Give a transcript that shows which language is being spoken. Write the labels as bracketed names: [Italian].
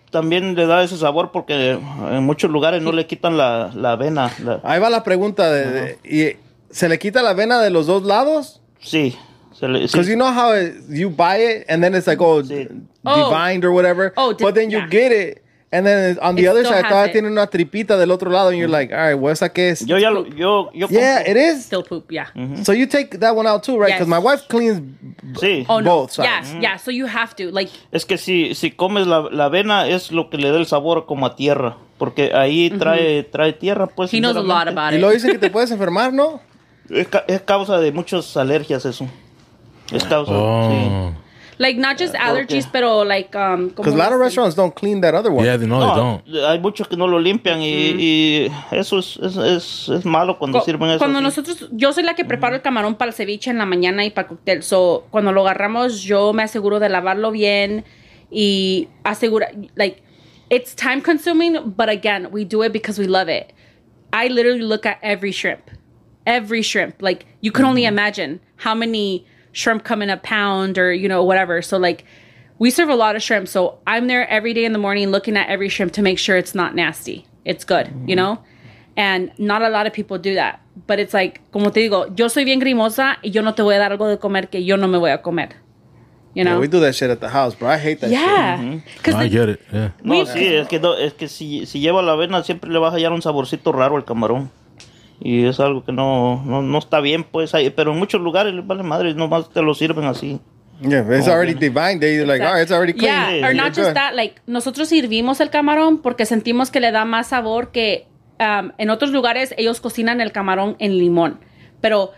[Spanish] También le da ese sabor porque en muchos lugares no le quitan la avena. Ahí va la pregunta. ¿Y se le quita la avena de los dos lados? Sí. [English] Because you know how you buy it and then it's like, divined or whatever. But then you get it and then on the other side, [Spanish] todavía tiene una tripita del otro lado [English] and you're like, all right, well, [Spanish] esa que es? [English] It is. Still poop, yeah. Mm-hmm. So you take that one out too, right? Because yes. My wife cleans both. No. Yeah, mm-hmm. So you have to. Like. [Spanish] Es que si comes la avena, es lo que le da el sabor como a tierra. Porque ahí trae tierra, pues. [English] He knows a lot about it. [Spanish] Y lo dicen que te puedes enfermar, ¿no? Es causa de muchas alergias eso. Sí. [English] Like not just allergies, pero like because a lot of restaurants don't clean that other one. Yeah, they know they don't. [Spanish] Hay muchos que no lo limpian y eso es malo cuando sirven eso. Cuando nosotros, yo soy la que preparo el camarón para el ceviche en la mañana y para el cóctel. [English] So [Spanish] cuando lo agarramos, yo me aseguro de lavarlo bien y asegura [English] like it's time consuming, but again, we do it because we love it. I literally look at every shrimp. Like you can only imagine how many shrimp come in a pound or, you know, whatever. So, like, we serve a lot of shrimp. So, I'm there every day in the morning looking at every shrimp to make sure it's not nasty. It's good, you know? And not a lot of people do that. But it's like, [Spanish] como te digo, yo soy bien grimosa y yo no te voy a dar algo de comer que yo no me voy a comer. [English] You know? Yeah, we do that shit at the house, bro. I hate that shit. Mm-hmm. No, I get it, yeah. [Spanish] No, sí, es que si lleva la avena, siempre le vas a hallar un saborcito raro al camarón. Y es algo que no está bien, pues, ahí, pero en muchos lugares, vale madre, nomás te lo sirven así. [English] Yeah, it's already divine. They're like, exactly. It's already clean. Yeah, or not just that, like, [Spanish] nosotros sirvimos el camarón porque sentimos que le da más sabor que, en otros lugares, ellos cocinan el camarón en limón, pero...